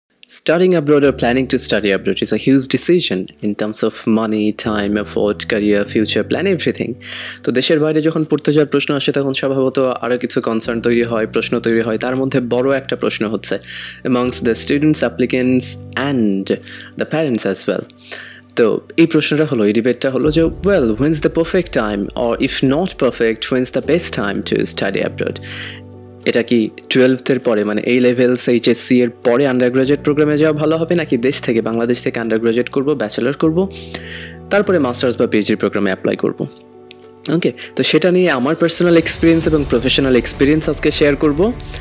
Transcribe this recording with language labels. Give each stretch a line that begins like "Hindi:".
English: Studying abroad or planning to study abroad is a huge decision in terms of money, time, effort, career, future plan, everything.
Bangla: তো দেশের বাইরে যখন পড়তে যাওয়ার প্রশ্ন আসে তখন স্বভাবত আরো কিছু কনসার্ন তৈরি হয়, প্রশ্ন তৈরি হয়, তার মধ্যে বড় একটা প্রশ্ন হচ্ছে
English: amongst the students, applicants and the parents as well.
Bangla: তো এই প্রশ্নটা হলো, এই ডিবেটটা হলো যে
English: well, when's the perfect time or if not perfect, when's the best time to study abroad?
Bangla: এটা কি 12th পরে, মানে এই লেভেলস HSC পরে আন্ডারগ্রাজুয়েট প্রোগ্রামে যাওয়া ভালো হবে, নাকি দেশ থেকে বাংলাদেশ থেকে আন্ডারগ্রাজুয়েট করব, ব্যাচেলার করব, তারপরে মাস্টার্স বা পিএইচডি প্রোগ্রামে অ্যাপ্লাই করব? ওকে, তো সেটা নিয়ে আমার পার্সোনাল এক্সপিরিয়েন্স এবং প্রফেশনাল এক্সপিরিয়েন্স আজকে শেয়ার করব।